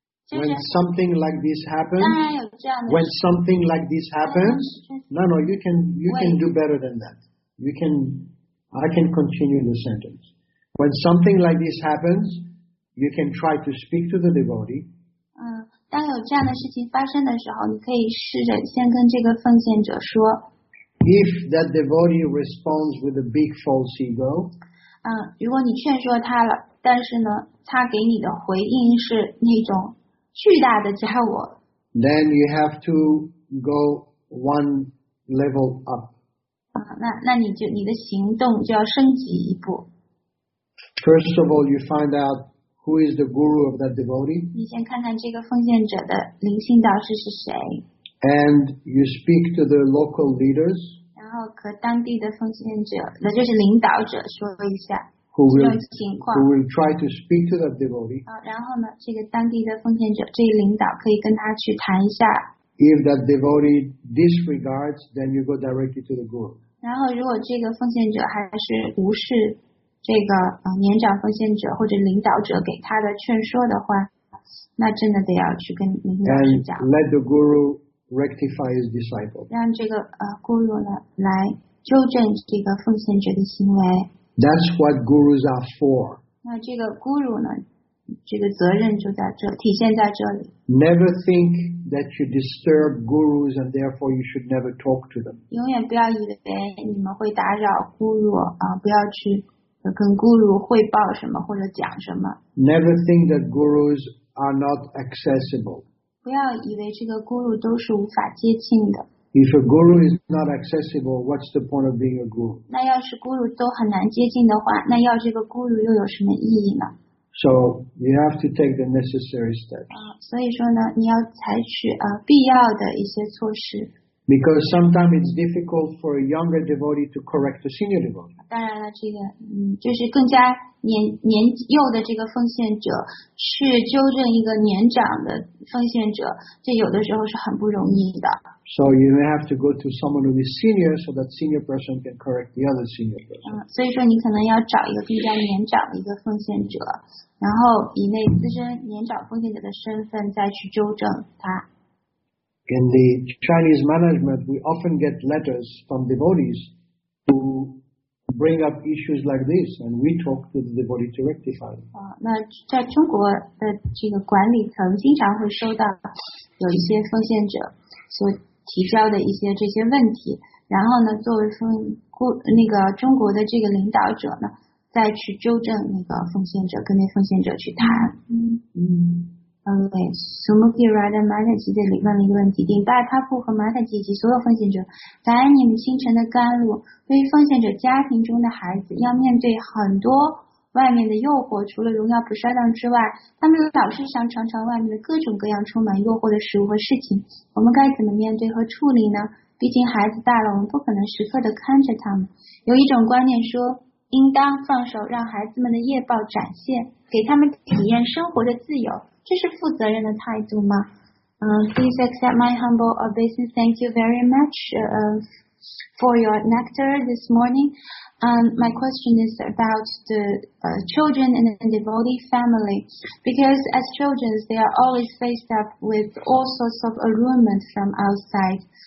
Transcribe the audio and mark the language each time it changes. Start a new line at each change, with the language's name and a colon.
English: When something like this happens, no, you can do better than that. I can continue the sentence. When something like this happens, you can try to speak to the devotee.
Chinese: 当有这样的事情发生的时候，你可以试着先跟这个奉献者说。
English: If that devotee responds with a big false ego,
Chinese: 如果你劝说他了，但是呢，他给你的回应是那种。巨大的家伙。
English: Then you have to go one level up.
Chinese: 那你的行动就要升级一步。
English: First of all, you find out who is the guru of that devotee.
Chinese: 你先看看这个奉献者的灵性导师是谁。
English: And you speak to the local leaders.
Chinese: 然后和当地的奉献者，那就是领导者说一下。
English: Who will try to speak to that devotee?
Chinese: 然后呢，这个当地的奉献者，这个领导可以跟他去谈一下。
English: If that devotee disregards, then you go directly to the guru.
Chinese: 然后，如果这个奉献者还是无视这个年长奉献者或者领导者给他的劝说的话，那真的得要去跟领导去讲。
English: And let the guru rectify his disciple.
Chinese: 让这个guru 来纠正这个奉献者的行为。
English: That's what gurus are for.
Chinese: 那这个 guru 呢，这个责任就在这，体现在这里。
English: Never think that you disturb gurus and therefore you should never talk to them.
Chinese: 永远不要以为你们会打扰 guru 不要去跟 guru 汇报什么或者讲什么。
English: Never think that gurus are not accessible.
Chinese: 不要以为这个 guru 都是无法接近的。
English: If a guru is not accessible, what's the point of being a guru?
Chinese: 那要是 guru 都很难接近的话，那要这个 guru 又有什么意义呢？
English: So you have to take the necessary steps.
Chinese: 所以说呢，你要采取必要的一些措施。
English: Because sometimes it's difficult for a younger devotee to correct a senior devotee.
Chinese: 当然了，这个就是更加年幼的这个奉献者去纠正一个年长的奉献者，这有的时候是很不容易的。
English: So you may have to go to someone who is senior, so that senior person can correct the other senior person.
Chinese: 所以说你可能要找一个比较年长的一个奉献者，然后以那资深年长奉献者的身份再去纠正他。
English: In the Chinese management, we often get letters from devotees who bring up issues like this, and we talk to the devotee to rectify them.
Chinese: 那在中国的这个管理层经常会收到有一些奉献者所提交的一些这些问题，然后呢，作为中国的这个领导者呢，再去纠正那个奉献者，跟那奉献者去谈。 Okay, Sumukhi Radha Mata Ji 这里问了一个问题，顶八他铺和 Mata Ji 及所有奉献者，感恩你们清晨的甘露。对于奉献者家庭中的孩子，要面对很多外面的诱惑，除了荣耀不衰荡之外，他们老是想尝尝外面的各种各样充满诱惑的食物和事情，我们该怎么面对和处理呢？毕竟孩子大了，我们不可能时刻的看着他们。有一种观念说，应当放手，让孩子们的业报展现，给他们体验生活的自由。这是负责任的态度吗？
English: Please accept my humble obeisance. Thank you very much for your nectar this morning. My question is about the children in the devotee family. Because as children, they are always faced up with all sorts of allurement from outside.